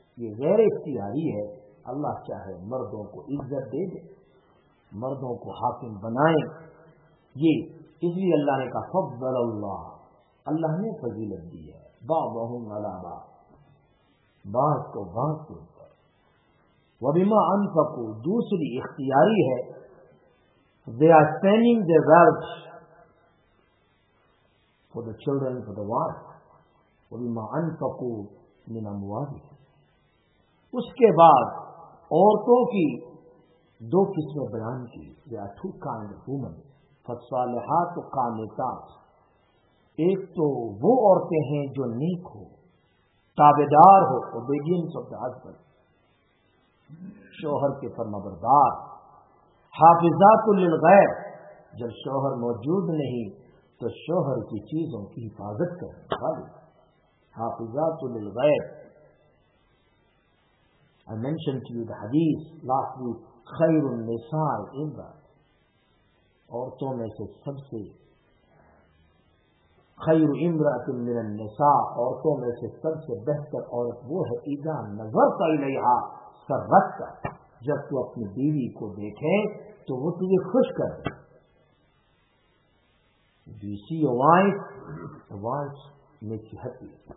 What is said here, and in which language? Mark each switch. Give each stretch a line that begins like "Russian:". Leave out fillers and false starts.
Urdu: یہ غیر اختیاری ہے، اللہ چاہے مردوں کو عزت دے دے، مردوں کو حاکم بنائے. یہ اس لیے اللہ نے کہا فضل اللہ، اللہ نے فضیلت دی ہے.
Arabic: بعضهم على بعض،
Urdu: بعض کو بعض کے اوپر.
Arabic: وبما انفقوا،
Urdu: دوسری اختیاری ہے.
English: They are spending their wealth for the children, for the wife.
Arabic: وَبِمَا أَنفَقُوا مِنْ أَمْوَالِهِمْ،
Urdu: اس کے بعد عورتوں کی دو قسمیں بیان کی.
English: There are two kind of women،
Arabic: فصالحات و قانتات،
Urdu: ایک تو وہ عورتیں ہیں جو نیک ہو، تابعدار ہو،
English: obedience of the husband،
Urdu: شوہر کے فرمانبردار،
Arabic: حافظات للغیب،
Urdu: جب شوہر موجود نہیں تو شوہر کی چیزوں کی حفاظت کرنے والی، حافظات للغیب.
English: I mentioned to you the
Urdu: حدیث
English: last week،
Arabic: خیر النساء
Urdu: عورتوں میں سے سب سے
Arabic: خیر امرأت من النساء،
Urdu: عورتوں میں سے سب سے بہتر عورت وہ ہے،
Arabic: اذا نظرت الیہا سرتک،
Urdu: جب تو اپنی بیوی کو دیکھے تو وہ تجھے خوش کر دے.
English: You see your wife, the wife makes you happy.